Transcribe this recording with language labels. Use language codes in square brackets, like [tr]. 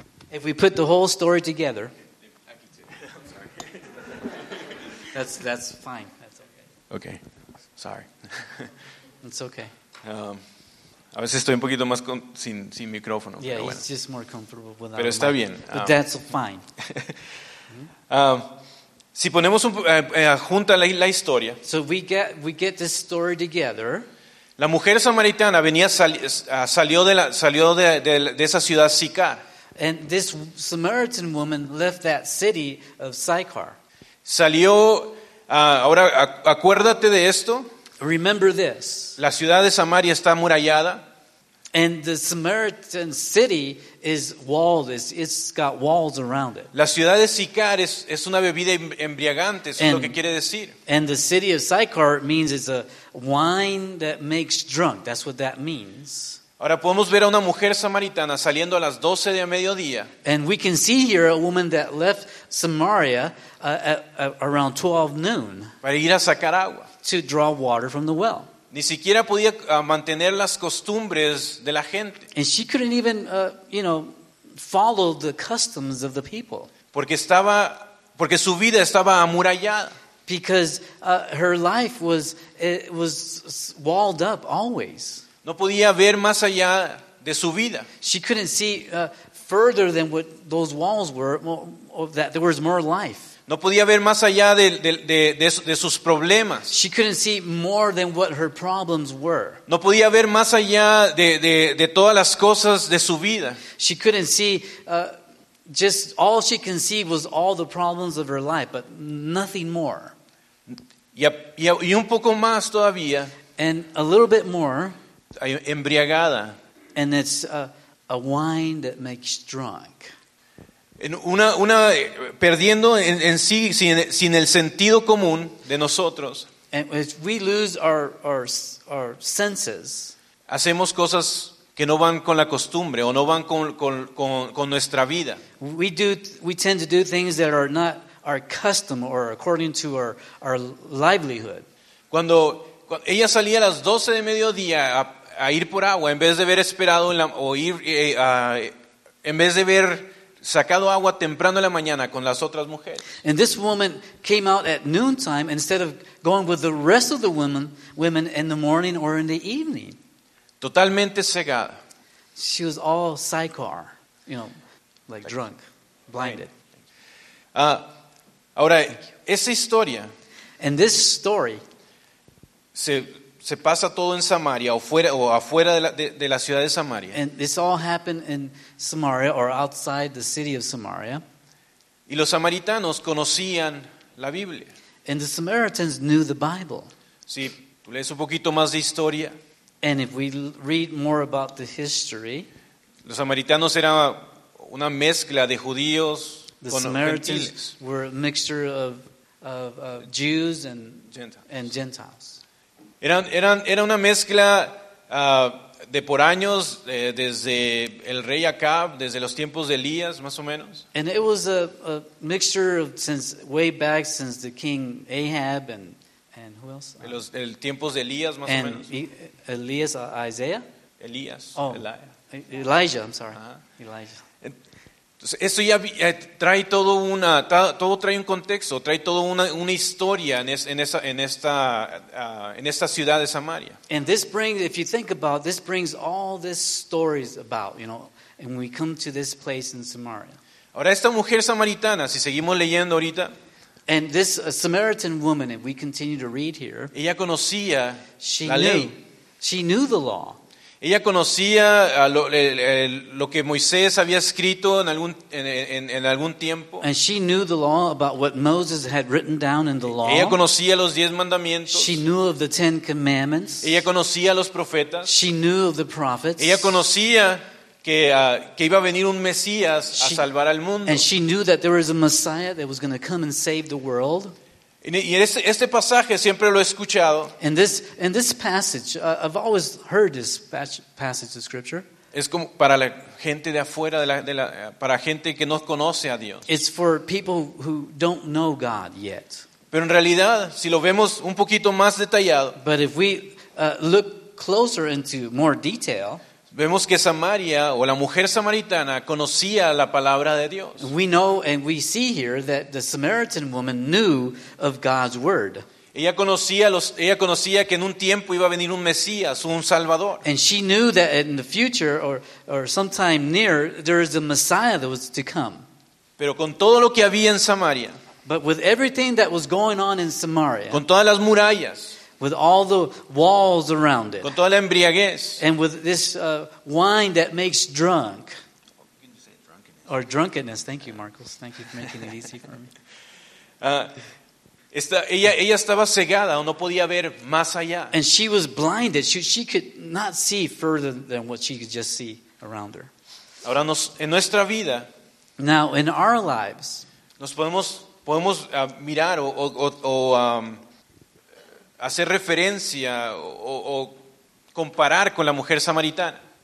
[en] If we put the whole story together, that's fine. That's okay. Okay, sorry. It's okay. [es] A veces estoy un poquito más sin micrófono. [en] Yeah, [es] pero bueno. [en] He's just more comfortable without. [es] Pero está bien. [en] But that's fine. [es] Si ponemos junta la historia. [en] So we get this story together. [es] La mujer samaritana venía salió de esa ciudad Sicar. [en] And this Samaritan woman left that city of Sychar. [es] Salió ahora acuérdate de esto. [en] Remember this. [es] La ciudad de Samaria está amurallada. [en] And the Samaritan city is walled. It's got walls around it. [es] La ciudad de Sicar es una bebida embriagante, eso es lo que quiere decir. [en] And the city of Sychar means it's a wine that makes drunk. That's what that means. [es] Ahora podemos ver a una mujer samaritana saliendo a las 12 de mediodía. [en] And we can see here a woman that left Samaria around 12 noon. [es] Para ir a sacar agua. [en] To draw water from the well. [es] Ni siquiera podía mantener las costumbres de la gente. [en] And she couldn't even, follow the customs of the people. [es] Porque su vida estaba amurallada. [en] Because her life was walled up always. [es] No podía ver más allá de su vida. [en] She couldn't see further than what those walls were, that there was more life. [es] No podía ver más allá de sus problemas. [en] She couldn't see more than what her problems were. [es] No podía ver más allá de todas las cosas de su vida. [en] She couldn't see just all she can see was all the problems of her life, but nothing more. [es] Y un poco más todavía. [en] And a little bit more. [es] Embriagada. [en] And it's a wine that makes drunk. [es] Una perdiendo en sí sin el sentido común de nosotros. [en] And if we lose our senses, [es] hacemos cosas que no van con la costumbre o no van con nuestra vida. [en] We tend to do things that are not our custom or according to our livelihood. [es] Cuando ella salía a las 12 de mediodía a ir por agua en vez de haber esperado en vez de ver sacado agua temprano en la mañana con las otras mujeres. [en] And this woman came out at noontime instead of going with the rest of the women in the morning or in the evening. [es] Totalmente cegada. [en] She was all Sychar, drunk, blinded. [es] Ahora, esa historia. [en] And this story. [es] Se pasa todo en Samaria o afuera de la ciudad de Samaria. [en] And this all happened in Samaria or outside the city of Samaria. [es] Y los samaritanos conocían la Biblia. [en] And the Samaritans knew the Bible. [es] Si tú lees un poquito más de historia. [en] And if we read more about the history. [es] Los samaritanos eran una mezcla de judíos con [en] Samaritans [es] gentiles. [en] Were a mixture of Jews and Gentiles. And Gentiles. [es] Era una mezcla de por años desde el rey Acab, desde los tiempos de Elías, más o menos. [en] And it was a mixture of since way back since the king Ahab and who else? [es] El tiempos de Elías, más [en] and [es] o menos. [en] Elías, Isaiah. [es] Elías. [en] Oh, Elijah. I'm sorry. Uh-huh. Elijah. [es] Eso ya trae todo un contexto, trae toda una historia en esta ciudad de Samaria. [en] And this brings, if you think about, this brings all these stories about, and we come to this place in Samaria. [es] Ahora esta mujer samaritana, si seguimos leyendo ahorita. [en] And this Samaritan woman, if we continue to read here. [es] Ella conocía la ley. [en] She knew the law. [es] Ella conocía lo que Moisés había escrito en algún tiempo. [en] And she knew the law about what Moses had written down in the law. [es] Ella conocía los 10 mandamientos. [en] She knew of the 10 commandments. [es] Ella conocía los profetas. [en] She knew of the prophets. [es] Ella conocía que iba a venir un Mesías a salvar al mundo. [en] And she knew that there was a Messiah that was going to come and save the world. [es] Y este pasaje siempre lo he escuchado. [en] In this passage, I've always heard this passage of scripture. [es] Es como para la gente de afuera de la para gente que no conoce a Dios. [en] It's for people who don't know God yet. [es] Pero en realidad, si lo vemos un poquito más detallado, [en] but if we look closer into more detail, [es] vemos que Samaria o la mujer samaritana conocía la palabra de Dios. [en] We know and we see here that the Samaritan woman knew of God's word. [es] Ella conocía que en un tiempo iba a venir un Mesías, un Salvador. [en] And she knew that in the future or sometime near there is a Messiah that was to come. [es] Pero con todo lo que había en Samaria, [en] But with everything that was going on in Samaria, [es] con todas las murallas, [en] with all the walls around it, [es] con toda la embriaguez, [en] and with this wine that makes drunk, or drunkenness. Thank you, Marcos. Thank you for making it easy for me. [es] Ella estaba cegada, o no podía ver más allá. [en] And she was blinded. She could not see further than what she could just see around her. [es] Ahora en nuestra vida, [en] now in our lives, [es] nos podemos mirar o hacer referencia o comparar con la mujer samaritana.